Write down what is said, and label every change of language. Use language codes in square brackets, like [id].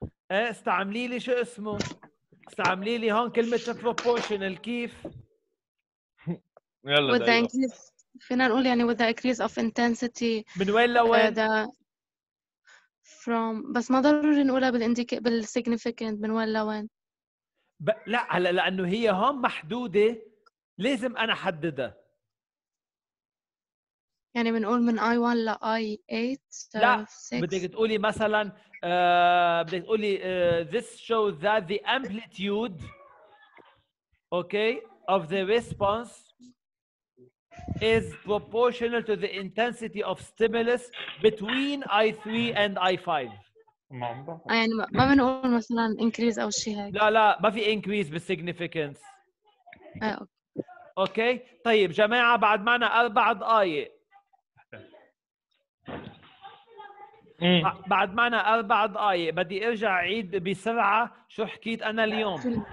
[ar] استعملي لي شو اسمه استعملي لي هون كلمة proportional كيف يلا [en] with the increase فينا نقول يعني with the increase of intensity [ar] من وين لوين from بس ما ضروري نقولها بالsignificant من وين لوين لا لأنه هي هون محدودة لازم أنا حددها يعني بنقول من I1 ل I8 [en] لا بدك تقولي مثلا بدك تقولي this shows that the amplitude okay of the response is proportional to the intensity of stimulus between I3 and I5 [ar] يعني ما بنقول مثلا increase أو شيء هيك. لا ما في increase بالsignificance. okay طيب جماعة بعد معنا 4 دقائق بعد معنا 4 دقائق بدي ارجع عيد بسرعة شو حكيت انا اليوم.